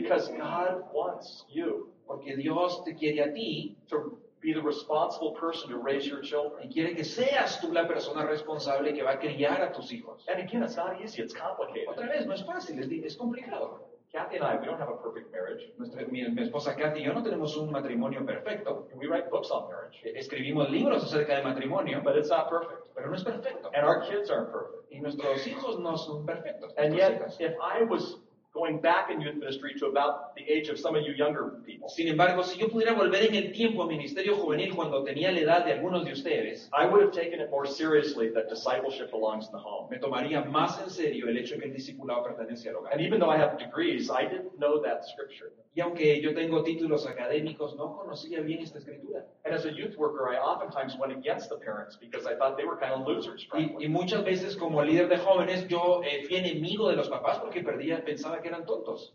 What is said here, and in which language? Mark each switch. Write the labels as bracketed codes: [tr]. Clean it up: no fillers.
[en] Because God wants you. [es] Porque Dios te quiere a ti [en] to be the responsible person to raise your children. [es] Y quiere que seas tú la persona responsable que va a criar a tus hijos. [en] And again, it's not easy, it's complicated. [es] Otra vez, no es fácil, es complicado. [en] Kathy and I, we don't have a perfect marriage. [es] Mi esposa Kathy y yo no tenemos un matrimonio perfecto. [en] We write books on marriage. [es] Escribimos libros acerca de matrimonio. [en] But it's not perfect. [es] Pero no es perfecto. [en] And our kids aren't perfect. [es] Y nuestros hijos no son perfectos. [en] And yet, if I was going back in youth ministry to about the age of some of you younger people. [es] Sin embargo, si yo pudiera volver en el tiempo a ministerio juvenil cuando tenía la edad de algunos de ustedes, [en] I would have taken it more seriously that discipleship belongs in the home. [es] Me tomaría más en serio el hecho que el discipulado pertenece al hogar. [en] And even though I have degrees, I didn't know that scripture. [es] Y aunque yo tengo títulos académicos, no conocía bien esta escritura. [en] And as a youth worker, I oftentimes went against the parents because I thought they were kind of losers. [es] Y muchas veces como líder de jóvenes, yo fui enemigo de los papás porque perdía, pensaba que eran tontos.